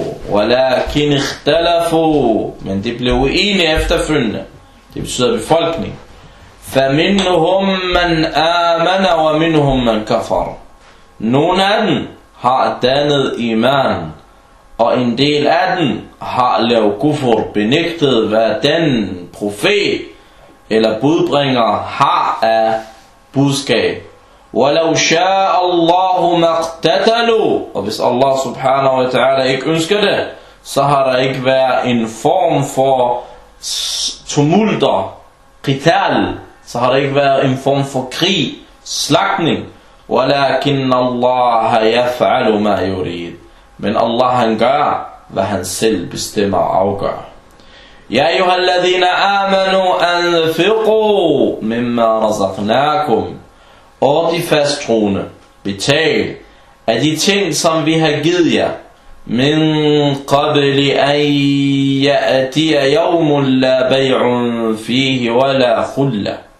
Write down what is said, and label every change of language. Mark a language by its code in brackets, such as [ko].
[ar] ولكن اختلفوا, men de blev uenige efterfølgende. [da] Det betyder befolkning. [ar] فمنهم من آمن ومنهم من كفر. [da] Nogle af dem har dannet iman, og en del af dem har lavet kufur, benægtet hvad den profet eller budbringer har af budskab. [ar] وَلَوْ شَاءَ اللَّهُ مَقْتَتَلُوا. [da] Og hvis Allah subhanahu wa ta'ala ikke ønsker det, så har der ikke været en form for tumulter, qital, så har der ikke været en form for krig, slagtning. [ar] ولكن الله يفعل ما يريد. من الله [da] han gør, hvad han selv bestemmer og afgør. [ar] يا أيها الذين آمنوا أنفقوا مما رزقناكم. [da] Og de fasttroende, betal af de ting, som vi har givet jer. [ar] من قبل أن يأتي يوم لا بيع فيه ولا خلة.